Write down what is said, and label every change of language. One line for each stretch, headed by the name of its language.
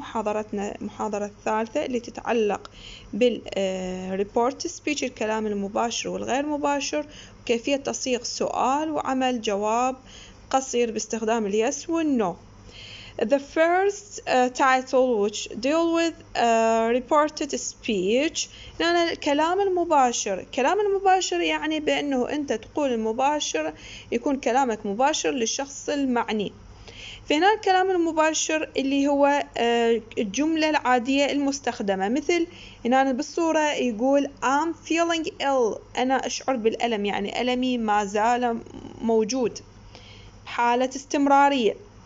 Arabic: محاضرتنا الثالثة اللي تتعلق بالreport speech, الكلام المباشر والغير مباشر, وكيفية تصيغ سؤال وعمل جواب قصير باستخدام ال yes and no.
English: The first title which deal with reported speech.
Arabic: يعني الكلام المباشر. الكلام المباشر يعني بأنه أنت تقول المباشر, يكون كلامك مباشر للشخص المعني. فهنا الكلام المباشر اللي هو الجملة العادية المستخدمة, مثل هنا بالصورة يقول
English: I'm feeling ill,
Arabic: أنا أشعر بالألم, يعني ألمي ما زال موجود, حالة استمرارية.